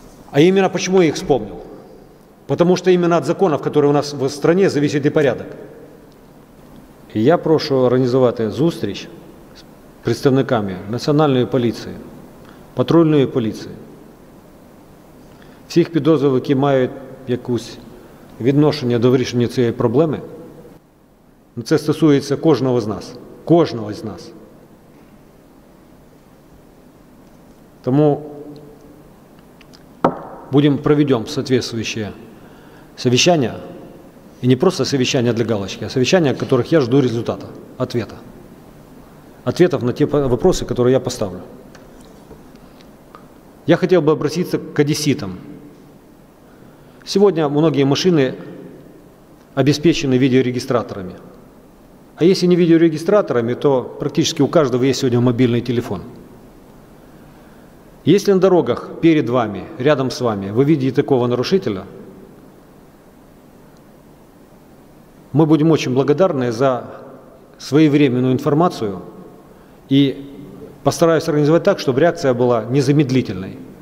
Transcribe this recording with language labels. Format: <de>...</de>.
<ru>А именно почему я их вспомнил? Потому что именно от законов, которые у нас в стране, зависит и порядок. И я прошу организовать зустрич с представниками национальной полиции, патрульной полиции.</ru> <uk>Всех підозрюваних, які мають якусь відношення до вирішення цієї проблеми. Це стосується кожного з нас. Кожного з нас. Тому проведемо відповідальне совещання. І не просто совещання для галочки, а совещання, в яких я жду результату, ответа. Ответів на ті питання, які я поставлю. Я хотів би звернутися к одеситам. Сьогодні багато машини обезпечені відеорегістраторами.</uk> <ru>А если не видеорегистраторами, то практически у каждого есть сегодня мобильный телефон. Если на дорогах перед вами, рядом с вами, вы видите такого нарушителя, мы будем очень благодарны за своевременную информацию и постараюсь организовать так, чтобы реакция была незамедлительной.</ru>